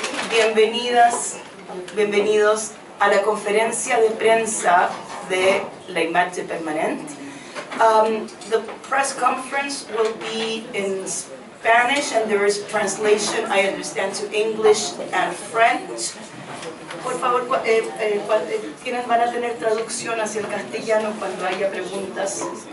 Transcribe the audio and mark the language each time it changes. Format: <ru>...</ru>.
<es>Bienvenidas, bienvenidos a la conferencia de prensa de La Imagen Permanente.</es> <en>The press conference will be in Spanish and there is translation, I understand, to English and French.</en> <es>Por favor, ¿quiénes van a tener traducción hacia el castellano cuando haya preguntas?</es>